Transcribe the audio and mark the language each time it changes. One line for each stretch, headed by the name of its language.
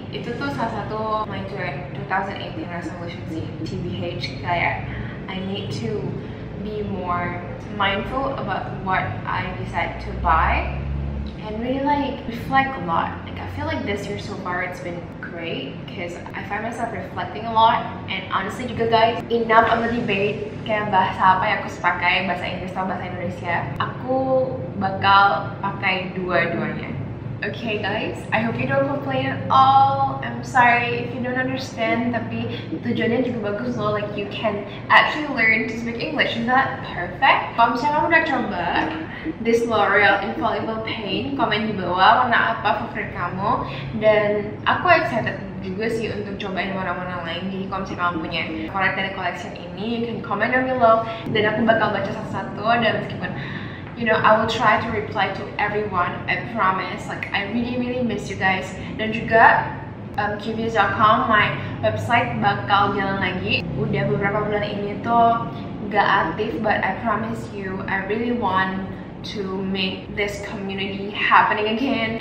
Indonesian: Itu tuh salah satu
English: my 2018 resolution
Indonesian: sih, TBH. Kayak
English: I need to be more mindful about what I decide to buy, and really like reflect a lot. Like, I feel like this year so far it's been great, because I find myself reflecting a lot. And honestly juga guys, enough of the debate.
Indonesian: Kayak bahasa apa yang aku pakai, bahasa Inggris atau bahasa Indonesia, aku bakal pakai dua-duanya.
English: Okay guys, I hope you don't complain at all. I'm sorry if you don't understand.
Indonesian: Tapi tujuannya juga bagus loh.
English: Like, you can actually learn to speak English. Is that perfect?
Indonesian: Kalau misalnya kamu udah coba this L'Oreal Infallible paint, komen di bawah warna apa favorit kamu. Dan aku excited juga sih untuk cobain warna-warna lain. Jadi kalau misalnya kamu punya produk dari collection ini,
English: you can comment down below.
Indonesian: Dan aku bakal baca satu-satu. Dan meskipun,
English: you know, I will try to reply to everyone, I promise. Like, I really really miss you guys.
Indonesian: Dan juga
English: Cuvious.com, my website bakal jalan lagi.
Indonesian: Udah beberapa bulan ini tuh gak aktif,
English: but I promise you, I really want to make this community happening again.